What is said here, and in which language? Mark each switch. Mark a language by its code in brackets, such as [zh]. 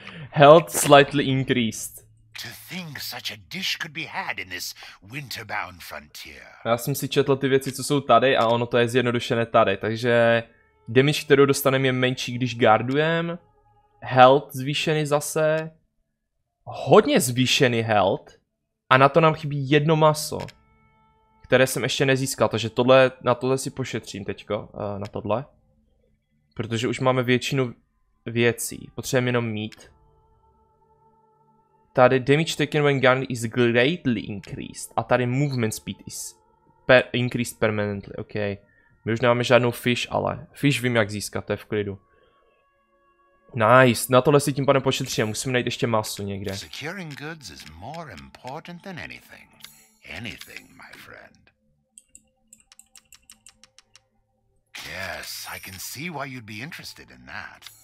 [en] Health slightly increased. To think such a dish could be had in this winterbound frontier. [cs] Já jsem si četl ty věci, co jsou tady, a ono to je zjednodušené tady. Takže damage, kterou dostaneme, je menší, když guardujem. Health zvýšený zase. Hodně zvýšený health. A na to nám chybí jedno maso. Které jsem ještě nezískal, takže tohle, na tohle si pošetřím teďko, na tohle. Protože už máme většinu věcí, potřebujeme jenom mít. Tady [en] damage taken when gun is greatly increased. [cs] A tady [en] movement speed is increased permanently, ok. [cs] My už nemáme žádnou fish, ale fish vím jak získat, to je v klidu. Nice, na tohle si tím pádem pošetřím, musím najít ještě maso někde. [en] Securing goods is more important than anything. Anything, my friend. Yes, I can see why you'd be interested in that.